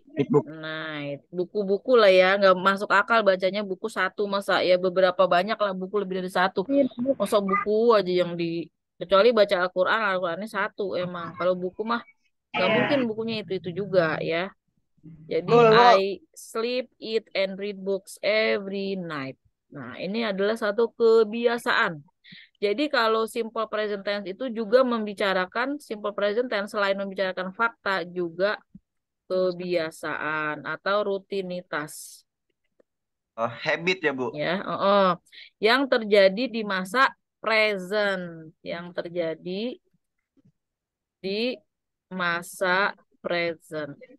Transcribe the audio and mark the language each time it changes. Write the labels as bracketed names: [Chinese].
[English] book, read book. night. [Indonesian] Buku-buku lah ya, nggak masuk akal bacanya buku satu masa ya, beberapa banyak lah buku lebih dari satu. [English] Read book. [Indonesian] Masa buku aja yang di, kecuali baca Al-Quran, Al-Qurannya satu emang. Kalau buku mah nggak [English] Yeah. [Indonesian] mungkin bukunya itu juga ya. Jadi Lol, lol. [English] I sleep, eat, and read books every night. [Indonesian] Nah, ini adalah satu kebiasaan. Jadi kalau simple present tense itu juga membicarakan simple present tense selain membicarakan fakta juga kebiasaan atau rutinitas. Habit ya, Bu. Ya, yang terjadi di masa present, yang terjadi di masa present.